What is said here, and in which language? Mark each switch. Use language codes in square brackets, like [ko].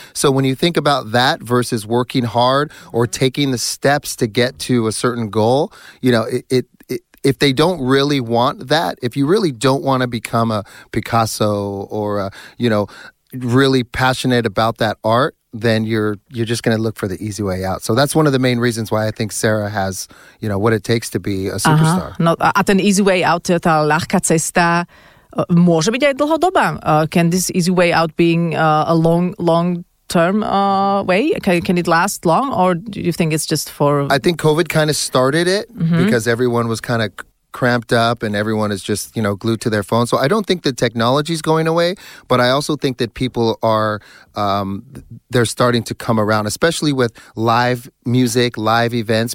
[en] So when you think about that versus working hard or taking the steps to get to a certain goal, you know, if they don't really want that, if you really don't want to become a Picasso or, you know, really passionate about that art, then you're just going to look for the easy way out. So that's one of the main reasons why I think Sarah has, you know, what it takes to be a superstar. Aha, [sk] no, a ten [en] easy way out, [sk] tá ľahká cesta, môže byť aj dlhodobá. [en] Can this easy way out being a long term way, can it last long, or do you think it's just for... I think COVID kind of started it, because everyone was kind of cramped up and everyone is just, you know, glued to their phone. So I don't think the technology is going away, but I also think that people are, they're starting to come around, especially with live music, live events.